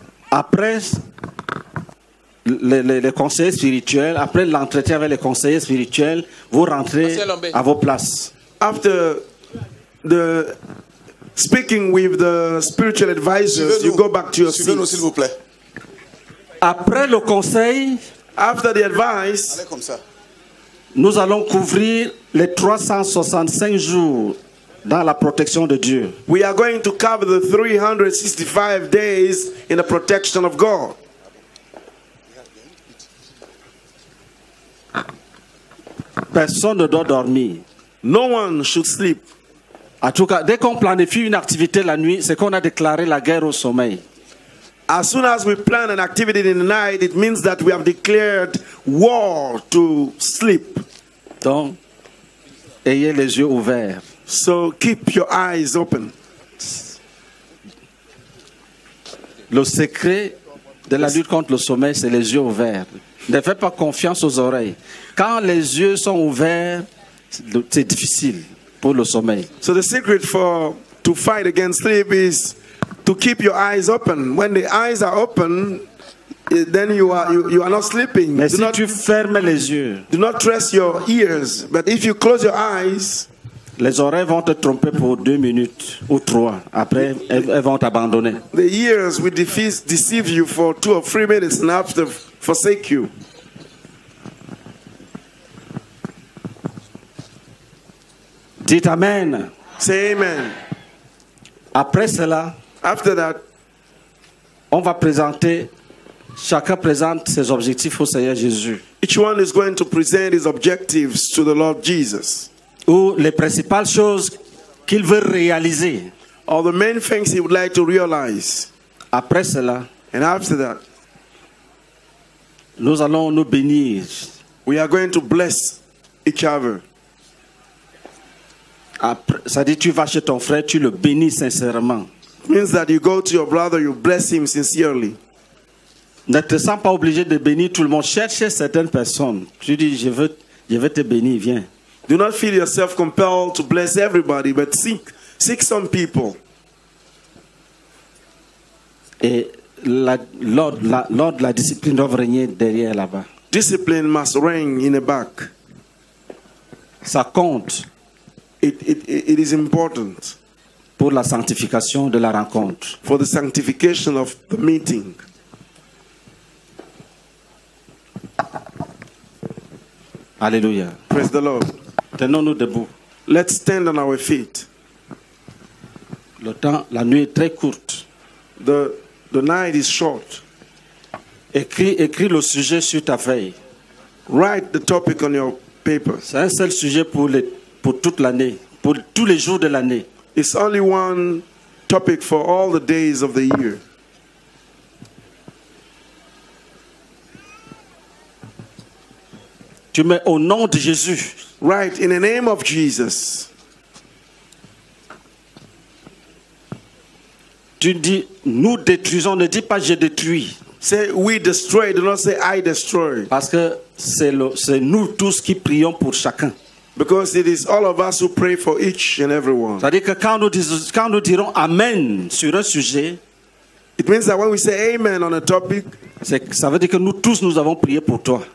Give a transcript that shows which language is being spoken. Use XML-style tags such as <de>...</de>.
<fr>Après les conseillers spirituels, après l'entretien avec les conseillers spirituels, vous rentrez à vos places.</fr> <en>After the speaking with the spiritual advisors, you go back to your seats.</en> <fr>Après le conseil,</fr> <en>After the advice,</en> <fr>nous allons couvrir les 365 jours dans la protection de Dieu.</fr> <en>We are going to cover the 365 days in the protection of God.</en> <fr>Personne ne doit dormir.</fr> <en>No one should sleep.</en> <fr>En tout cas, dès qu'on planifie une activité la nuit, c'est qu'on a déclaré la guerre au sommeil.</fr> <en>As soon as we plan an activity in the night, it means that we have declared war to sleep.</en> <fr>Donc, ayez les yeux ouverts.</fr> <en>So keep your eyes open.</en> <fr>Le secret de la lutte contre le sommeil, c'est les yeux ouverts. Ne faites pas confiance aux oreilles. Quand les yeux sont ouverts, c'est difficile pour le sommeil.</fr> <en>So the secret for to fight against sleep is to keep your eyes open. When the eyes are open, then you are not sleeping.</en> <fr>Mais si tu fermes les yeux,</fr> <en>do not trust your ears. But if you close your eyes,</en> <fr>les oreilles vont te tromper pour deux minutes ou trois. Après, elles vont t'abandonner.</fr> <en>The ears will deceive you for two or three minutes and have to forsake you.</en> <fr>Dites amen.</fr> <en>Say amen.</en> <fr>Après cela,</fr> <en>after that,</en> <fr>on va présenter, chacun présente ses objectifs au Seigneur Jésus.</fr> <en>Each one is going to present his objectives to the Lord Jesus.</en> <fr>Ou les principales choses qu'il veut réaliser.</fr> <en>Or the main things he would like to realize.</en> <fr>Après cela,</fr> <en>and after that,</en> <fr>nous allons nous bénir.</fr> <en>We are going to bless each other.</en> <fr>Après, ça dit tu vas chez ton frère, tu le bénis sincèrement.</fr> <en>Means that you go to your brother, you bless him sincerely.</en> <fr>Ne te sens pas obligé de bénir tout le monde. Cherche certaines personnes. Tu dis je veux te bénir, viens.</fr> <en>Do not feel yourself compelled to bless everybody, but seek some people.</en> <fr>Et la discipline doit régner derrière là-bas.</fr> <en>Discipline must reign in the back.</en> <fr>Ça compte.</fr> <en>It is important.</en> <fr>Pour la sanctification de la rencontre.</fr> <en>For the sanctification of the meeting.</en> <fr>Alléluia.</fr> <en>Praise the Lord.</en> <fr>Tenons-nous debout.</fr> <en>Let's stand on our feet.</en> <fr>Le temps, la nuit est très courte.</fr> <en>The night is short.</en> <fr>Écris le sujet sur ta feuille.</fr> <en>Write the topic on your paper.</en> <fr>C'est un seul sujet pour toute l'année, pour tous les jours de l'année.</fr> <en>It's only one topic for all the days of the year.</en> <fr>Tu mets au nom de Jésus.</fr> <en>Right, in the name of Jesus.</en> <fr>Tu dis, nous détruisons, ne dis pas je détruis.</fr> <en>Say we destroy, do not say I destroy.</en> <fr>Parce que c'est nous tous qui prions pour chacun.</fr> <en>Because it is all of us who pray for each and everyone.</en> <fr>C'est-à-dire que quand nous dirons amen sur un sujet,</fr> <en>it means that when we say amen on a topic,</en> <fr>ça veut dire que nous tous nous avons prié pour toi.</fr>